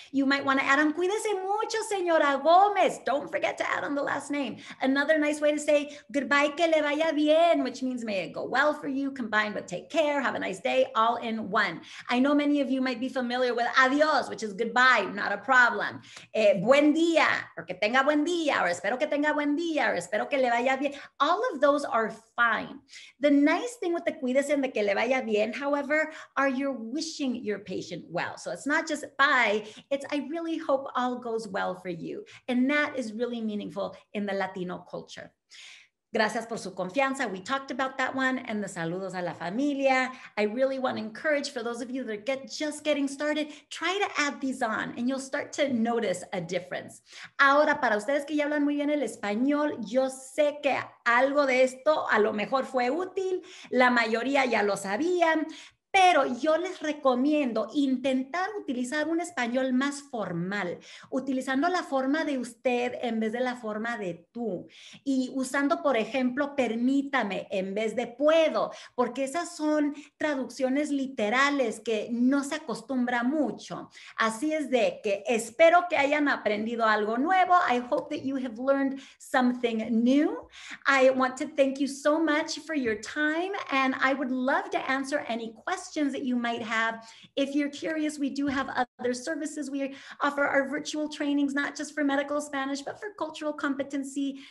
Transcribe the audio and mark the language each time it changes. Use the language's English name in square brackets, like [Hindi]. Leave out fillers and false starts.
[English] You might want to add on, [Spanish] cuídese mucho, señora Gomez. [English] Don't forget to add on the last name. Another nice way to say, goodbye, [Spanish] que le vaya bien, [English] which means may it go well for you, combined with take care, have a nice day, all in one. I know many of you might be familiar with adios, which is goodbye, not a problem. [Spanish] Buen día, or que tenga buen día, or espero que tenga buen día, or espero que le vaya bien. [English] All of those are fine. The nice thing with the cuídese and the que le vaya bien, however, are you're wishing your patient well. So it's not just bye, it's I really hope all goes well for you. And that is really meaningful in the Latino culture. [Spanish] Gracias por su confianza. [English] We talked about that one. And the [Spanish] saludos a la familia. [English] I really want to encourage for those of you that are just getting started, try to add these on and you'll start to notice a difference. [Spanish] Ahora, para ustedes que ya hablan muy bien el español, yo sé que algo de esto a lo mejor fue útil. La mayoría ya lo sabían. Pero yo les recomiendo intentar utilizar un español más formal, utilizando la forma de usted en vez de la forma de tú. Y usando, por ejemplo, permítame en vez de puedo, porque esas son traducciones literales que no se acostumbra mucho. Así es de que espero que hayan aprendido algo nuevo. [English] I hope that you have learned something new. I want to thank you so much for your time, and I would love to answer any questions. Questions that you might have. If you're curious, we do have other services. We offer our virtual trainings, not just for medical Spanish, but for cultural competency.